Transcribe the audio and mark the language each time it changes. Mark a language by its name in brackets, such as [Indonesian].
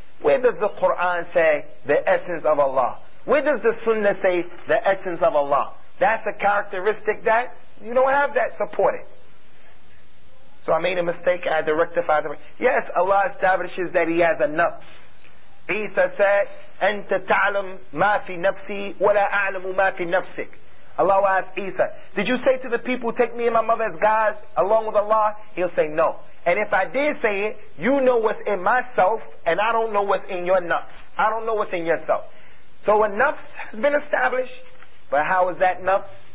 [English] Where does the Quran say the essence of Allah? Where does the Sunnah say the essence of Allah? That's a characteristic that you don't have that supported. So I made a mistake and I had to rectify the mistake. Yes, Allah establishes that He has a nafs. [Arabic] Isa said, أَنْتَ تَعْلَمْ مَا فِي نَفْسِي وَلَا أَعْلَمُ مَا فِي نَفْسِكَ. [English] Allah will ask Isa, did you say to the people, take me and my mother as gods along with Allah? He'll say no. And if I did say it, you know what's in myself and I don't know what's in your nafs. I don't know what's in yourself. So a nafs has been established, but how is that nafs?